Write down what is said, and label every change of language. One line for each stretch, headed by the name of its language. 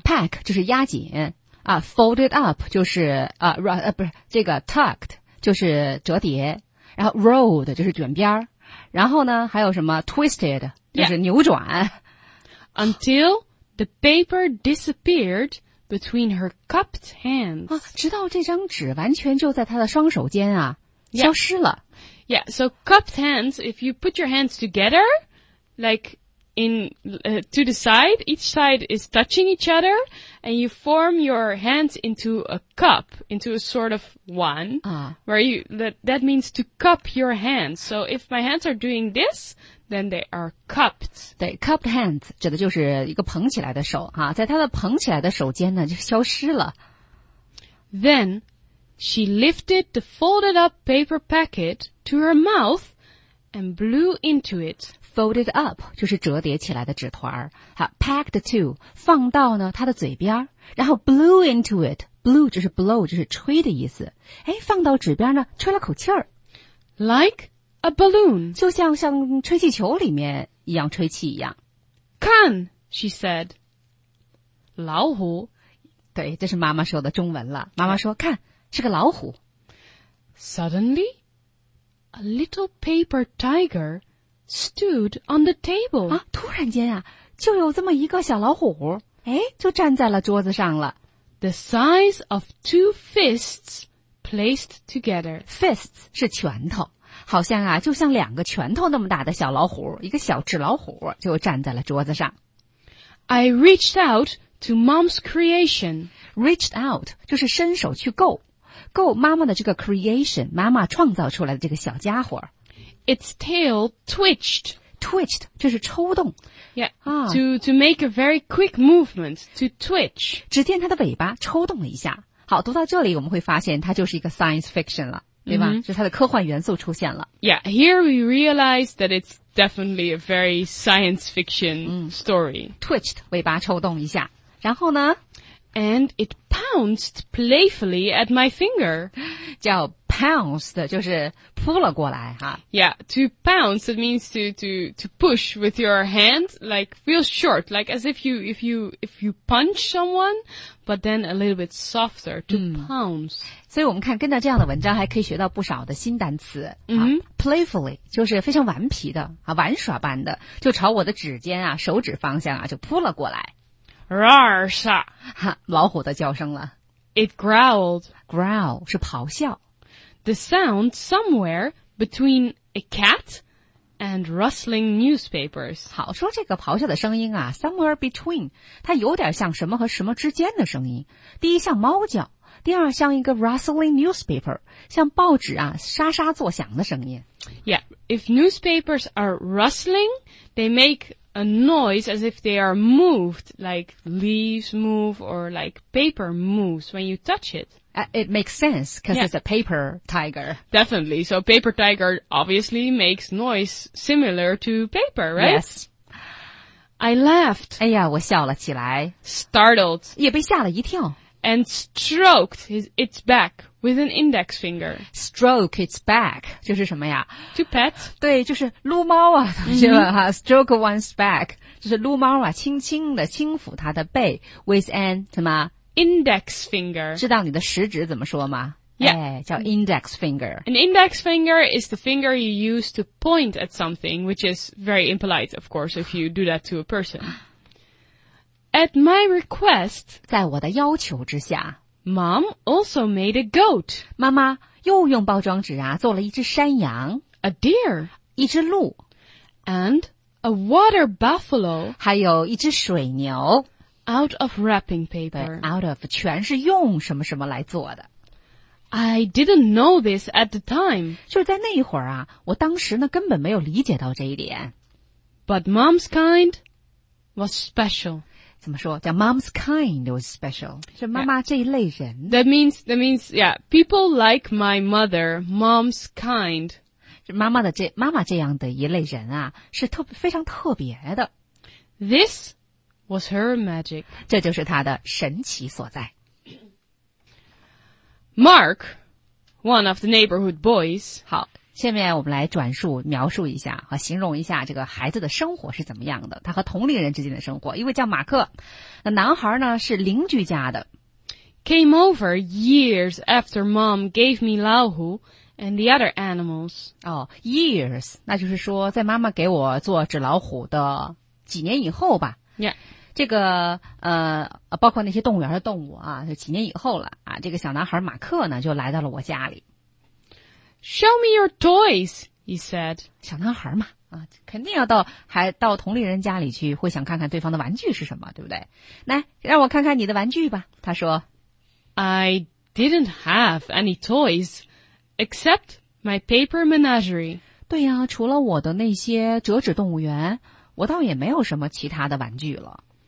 Chinese: Pack 就是压紧啊 ,folded up 就是啊不是、这个 tucked 就是折叠然后 rolled 就是卷边然后呢还有什么 twisted 就是扭转。
English: Yeah. Until the paper disappeared between her cupped hands.
Chinese: 啊直到这张纸完全就在她的双手间啊消失了。
English: Yeah, so cupped hands, if you put your hands together, like to the side, each side is touching each other, and you form your hands into a cup, into a sort of one, where you, that means to cup your hands. So if my hands are doing this, then they are cupped.
Chinese: 对 cupped hands 指的就是一个捧起来的手啊，在他的捧起来的手间呢就消失了。
English: Then,She lifted the folded up paper packet to her mouth and blew into it.
Chinese: Folded up 就是折叠起来的纸团。Packed to 放到呢她的嘴边。
English: 然后 blew into it.
Chinese: Blew 就是 blow, 就是吹的意思。哎放到纸边呢吹了口气儿。
English: Like a balloon.
Chinese: 就像吹气球里面一样吹气一样。看
English: she said.
Chinese: 老虎。对这是妈妈说的中文了。妈妈说看。是个老虎。
English: Suddenly, a little paper tiger stood on the table.
Chinese: 啊，突然间啊，就有这么一个小老虎，哎，就站在了桌子上了。
English: The size of two fists placed together.
Chinese: Fists 是拳头，好像啊，就像两个拳头那么大的小老虎，一个小纸老虎就站在了桌子上。
English: I reached out to mom's creation.
Chinese: Reached out 就是伸手去够。够妈妈的这个 creation, 妈妈创造出来的这个小家伙。
English: Its tail twitched.
Chinese: Twitched, 就是抽动。
English: Yeah, to make a very quick movement, to twitch.
Chinese: 只见它的尾巴抽动了一下。好读到这里我们会发现它就是一个 science fiction 了对吧、就是它的科幻元素出现了。
English: Yeah, here we realize that it's definitely a very science fiction story.、
Chinese: Twitched, 尾巴抽动一下。然后呢
English: And it pounced playfully at my finger.
Chinese: 叫 pounced, 就是扑了过来哈。
English: Yeah, to pounce, it means to push with your hand, like feel short, like as if you punch someone, but then a little bit softer, to pounce.
Chinese: 所以我们看跟着这样的文章还可以学到不少的新单词。 Playfully, 就是非常顽皮的啊玩耍般的就朝我的指尖啊手指方向啊就扑了过来。
English: Roar, sha.
Chinese: 哈，老虎的叫声了。
English: It growled.
Chinese: Growl 是咆哮。
English: The sound somewhere between a cat and rustling newspapers.
Chinese: 好，说这个咆哮的声音啊 ,somewhere between, 它有点像什么和什么之间的声音。第一像猫叫，第二像一个 rustling newspaper, 像报纸啊沙沙作响的声音。
English: Yeah, if newspapers are rustling, they make... A noise as if they are moved, like leaves move or like paper moves when you touch it. It makes sense because it's a paper tiger. Definitely. So paper tiger obviously makes noise similar to paper, right? Yes. I laughed.
Chinese: 哎呀，我笑了起来。
English: Startled.
Chinese: 也被吓了一跳。
English: And stroked its back with an index finger. Stroke its back,
Chinese: 就是什么呀
English: To pet.
Chinese: 对就是撸猫啊同学们哈
English: Stroke one's back,
Chinese: 就是撸猫啊轻轻的轻抚它的背 with an, 什么
English: Index finger.
Chinese: 知道你的食指怎么说吗
English: Yeah.
Chinese: 叫 index finger.
English: An index finger is the finger you use to point at something, which is very impolite, of course, if you do that to a person. At my request,
Chinese: 在我的要求之下
English: Mom also made a goat.
Chinese: 妈妈又用包装纸啊做了一只山羊
English: A deer.
Chinese: 一只鹿
English: And a water buffalo.
Chinese: 还有一只水牛
English: Out of wrapping paper.
Chinese: Out of 全是用什么什么来做的
English: I didn't know this at the time.
Chinese: 就是在那一会儿啊我当时呢根本没有理解到这一点
English: But Mom's kind was special.
Chinese: 怎么说叫
English: mom's kind was special
Chinese: 是妈妈这一类人、
English: That means yeah people like my mother mom's kind
Chinese: 是妈妈这样的一类人啊是特非常特别的
English: This was her magic
Chinese: 这就是她的神奇所在
English: Mark one of the neighborhood boys
Chinese: 好下面我们来转述描述一下和形容一下这个孩子的生活是怎么样的，他和同龄人之间的生活。一位叫马克，那男孩呢是邻居家的。
English: Came over years after mom gave me 老虎and the other animals.
Chinese: 哦 ,years, 那就是说在妈妈给我做纸老虎的几年以后吧。
English: Yeah.
Chinese: 这个包括那些动物园的动物啊，就几年以后了啊，这个小男孩马克呢就来到了我家里。
English: Show me your toys, he said.
Chinese: 小男孩嘛啊，肯定要到还到同龄人家里去，会想看看对方的玩具是什么，对不对？来，让我看看你的玩具吧，他说。
English: I didn't have any toys. Except my paper menagerie.
Chinese: 对呀、啊、除了我的那些折纸动物园，我倒也没有什么其他的玩具了。